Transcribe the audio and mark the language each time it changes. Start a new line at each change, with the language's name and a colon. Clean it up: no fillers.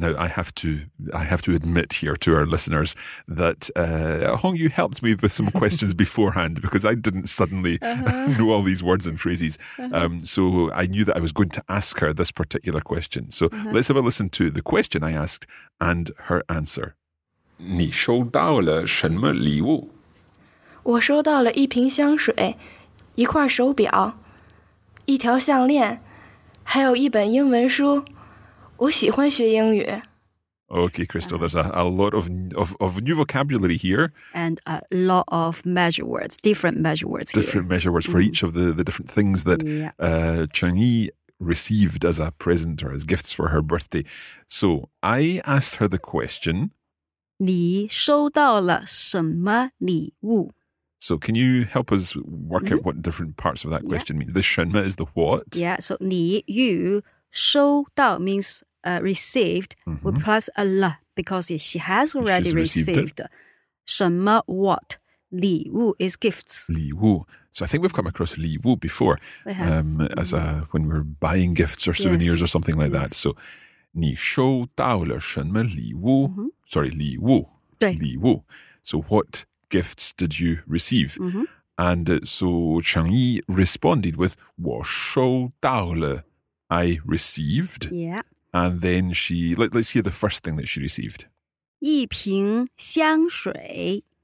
English: Now, I have to admit here to our listeners that Hong Yu helped me with some questions beforehand because I didn't suddenly know all these words and phrases. So I knew that I was going to ask her this particular question. So let's have a listen to the question I asked and her answer.
Chinese: 你收到了什么礼物？我收到了一瓶香水，一块手表，一条项链，还有一本英文书。我喜欢学英语。
English: Okay, Crystal, there's a lot of new vocabulary here. And a lot of measure words, different measure words. Different here. Measure words for each of the different things that Cheng Yi received as a present or as gifts for her birthday. So I asked her the question.
Chinese: 你收到了什么礼物?
English: So can you help us work out what different parts of that question mean? The 什么 is the what? Yeah, so 你, you... 收到 means received with plus a la because she has already received. 什么 what 礼物 is gifts. 礼物 So I think we've come across 礼物 before. As a, when we're buying gifts or souvenirs yes, or something like yes. that.
Chinese: So 你收到了什么礼物、mm-hmm.
English: Sorry, 礼物
Chinese: 对
English: 礼物 So what gifts did you receive?、 Mm-hmm. And so Cheng Yi responded with,
Chinese: 我收到了,
English: I received. Yeah. And then she, let's hear the first thing that she received.
Chinese: 一瓶香水.